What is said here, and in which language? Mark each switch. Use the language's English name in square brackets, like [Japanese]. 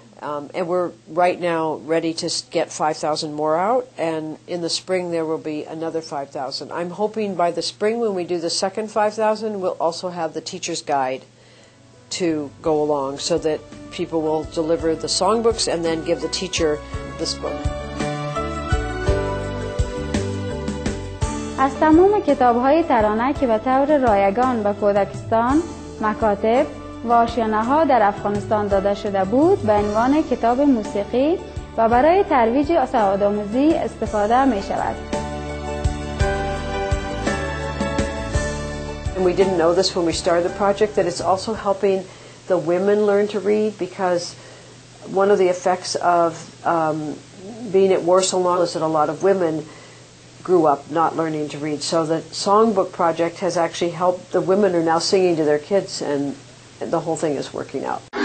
[English] And we're right now ready to get 5,000 more out, and in the spring there will be another 5,000. I'm hoping by the spring when we do the second 5,000, we'll also have the teacher's guide to go along so that people will deliver the songbooks and then give the teacher this book. [Persian] از تمام کتاب‌های ترانه که به طور رایگان به کودکستان، مکاتب، و آشیانه ها در افغانستان داده شده بود به عنوان کتاب موسیقی و برای ترویج سواد آموزی استفاده می شود. [English] And we didn't know this when we started the project that it's also helping the women learn to read, because one of the effects of being at war so long is that a lot of women grew up not learning to read. So the songbook project has actually helped the women who are now singing to their kids, and the whole thing is working out.